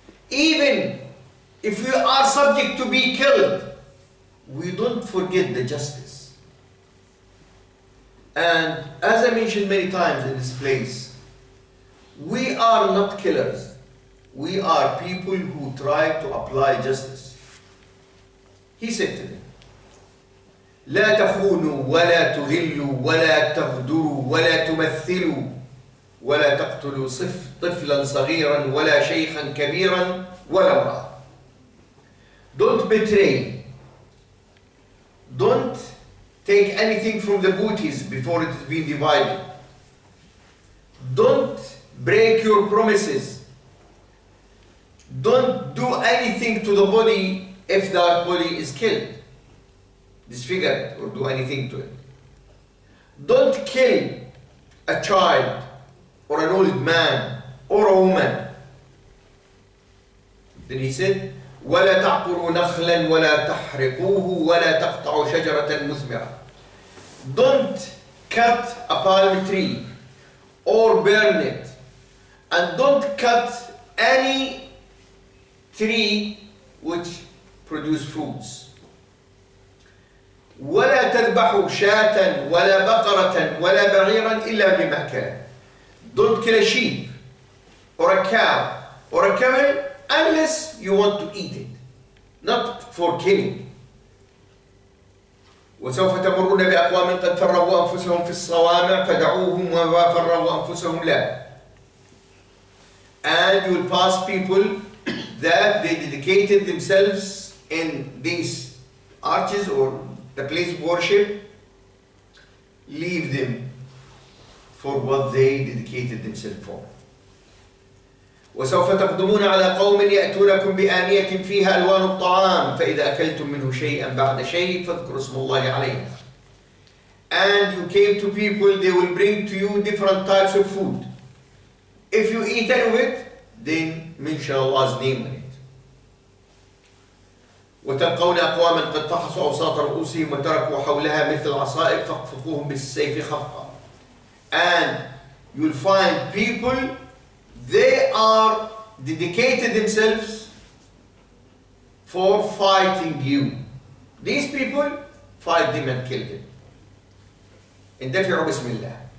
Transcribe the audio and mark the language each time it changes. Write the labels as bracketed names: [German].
[English] Even if we are subject to be killed, we don't forget the justice. And as I mentioned many times in this place, we are not killers. We are people who try to apply justice. He said to them, [Arabic] لا تخونوا ولا تغلوا ولا تغدروا ولا تمثلوا ولا تقتلوا طفلا صغيرا ولا شيخا كبيرا ولا امرأة. [English] Don't betray. Don't take anything from the booties before it has been divided. Don't break your promises. Don't do anything to the body if that body is killed, disfigured, or do anything to it. Don't kill a child or an old man or a woman. Then he said, [Arabic] ولا تعقروا نخلا ولا تحرقوه ولا تقطعوا شجرة مثمرة. [English] Don't cut a palm tree or burn it, and don't cut any tree which produce fruits. [Arabic] ولا تذبحوا شاة ولا بقرة ولا بعيرا إلا بمكان. [English] Don't kill a sheep or a cow or a camel unless you want to eat it, not for killing. [Arabic] وسوف تمرون بأقوام قد فرغوا أنفسهم في الصوامع فدعوهم وما فرغوا أنفسهم لا. [English] And you will pass people that they dedicated themselves in these arches or the place of worship. Leave them for what they dedicated themselves for. [Arabic] وسوف تقدمون على قوم يأتونكم بآنية فيها ألوان الطعام فإذا أكلتم منه شيئا بعد شيء فاذكروا اسم الله عليه. [English] And you came to people, they will bring to you different types of food. If you eat any of it, then mention Allah's name on it. [Arabic] وتلقون أقواما قد فحصوا أوساط رؤوسهم وتركوا حولها مثل العصائب فاخفقوهم بالسيف خفقا. [English] And you'll find people, they are dedicated themselves for fighting you. These people, fight them and kill them. [Arabic] اندفعوا بسم الله.